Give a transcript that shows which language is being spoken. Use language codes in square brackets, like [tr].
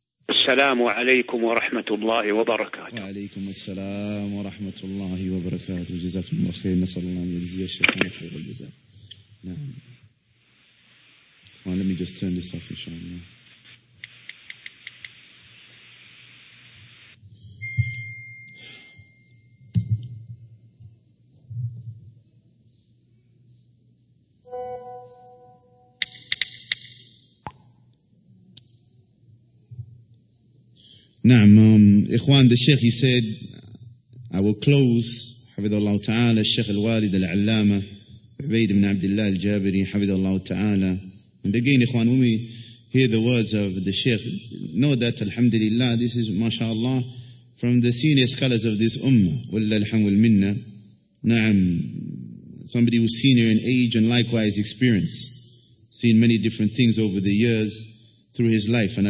[ar] السلام عليكم ورحمة الله وبركاته. وعليكم السلام ورحمة الله وبركاته، جزاكم الله خير، نسأل الله أن يجزي الشيخ خير الجزاء. نعم. [en] Let me just turn this off, inshallah. [ar] نعم إخوان، [en] the Sheikh, he said, I will close. [ar] حفظ الله تعالى الشيخ الوالد العلامة عبيد بن عبد الله الجابري حفظ الله تعالى. [en] And again, إخوان, when we hear the words of the Sheikh, know that alhamdulillah, this is mashallah from the senior scholars of this ummah. [ar] وَلَّا الْحَمْدُ الْمِنَّةِ. [en] نعم, somebody who's senior in age and likewise experience, seen many different things over the years through his life.